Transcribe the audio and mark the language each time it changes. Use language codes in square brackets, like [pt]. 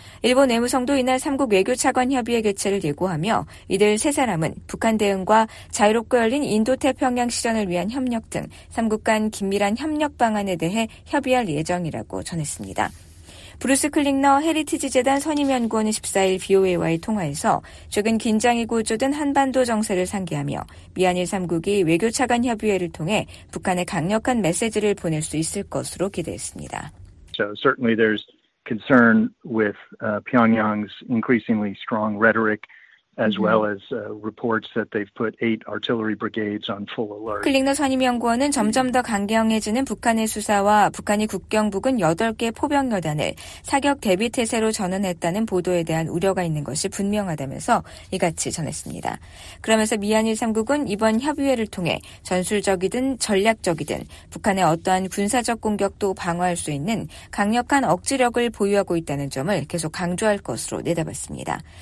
[ko] 일본 외무성도 이날 3국 외교차관협의회 개최를 예고하며 이들 세 사람은 북한 대응과 자유롭고 열린 인도태평양 실현을 위한 협력 등 3국 간 긴밀한 협력 방안에 대해 협의할 예정이라고 전했습니다. 브루스 클링너 헤리티지 재단 선임연구원은 14일 VOA와의 통화에서 최근 긴장이 고조된 한반도 정세를 상기하며 미한일 3국이 외교차관 협의회를 통해 북한에 강력한 메시지를 보낼 수 있을 것으로 기대했습니다. [en] So certainly there's concern with Pyongyang's increasingly strong rhetoric as well as reports that they've put 8 artillery brigades on full alert. [ko] 클링너 선임 연구원은 점점 더 강경해지는 북한의 수사와 북한이 국경 부근 8개 포병 여단을 사격 대비 태세로 전환했다는 보도에 대한 우려가 있는 것이 분명하다면서 이같이 전했습니다. 그러면서 미한일 3국은 이번 협의회를 통해 전술적이든 전략적이든 북한의 어떠한 군사적 공격도 방어할 수 있는 강력한 억지력을 보유하고 있다는 점을 계속 강조할 것으로 내다봤습니다.